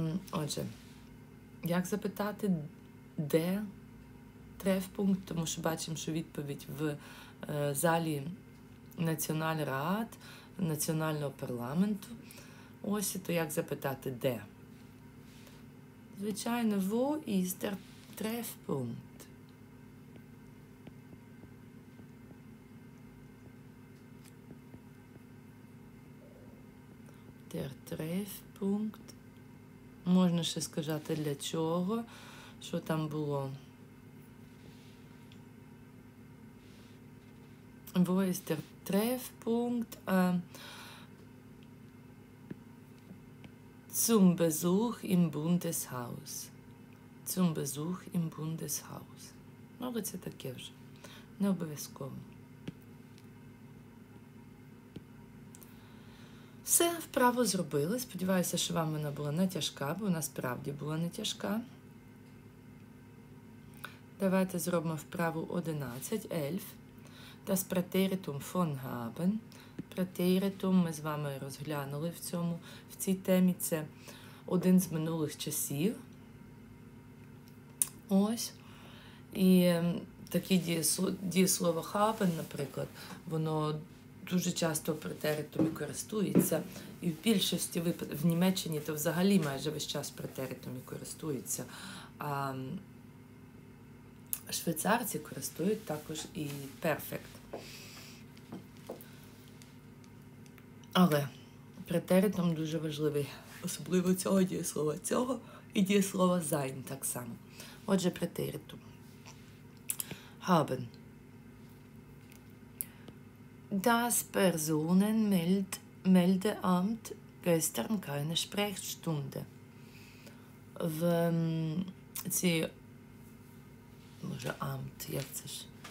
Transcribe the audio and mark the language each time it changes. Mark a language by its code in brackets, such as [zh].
[uk] Отже, як запитати, де Treffpunkt, тому що бачимо, що відповідь в залі Національрад, національного парламенту. Ось, то як запитати, де? Звичайно, [de] wo ist der Treffpunkt? Der Treffpunkt. [uk] Можна ще сказати, для чого, що там було. [de] Wo ist der Treffpunkt zum Besuch im Bundeshaus? Zum Besuch im Bundeshaus. [uk] Ну, це таке вже. Не обов'язково. Все, вправо зробили. Сподіваюся, що вам вона була не тяжка, бо вона справді була не тяжка. Давайте зробимо вправу 11, 11. [de] Das Präteritum von haben. [uk] Präteritum ми з вами розглянули в цій темі. Це один з минулих часів. Ось. І такі дієслово haben, наприклад, воно дуже часто претеритом користується. І в більшості випадків, в Німеччині, то взагалі майже весь час претеритом користується. А швейцарці користують також і перфект. Але претеритом дуже важливий. Особливо цього дієслова. Цього і дієслова sein так само. Отже, претеритом. Haben. [de] Das Personenmeldeamt gestern keine Sprechstunde. [uk] В ці може Amt, як це ж?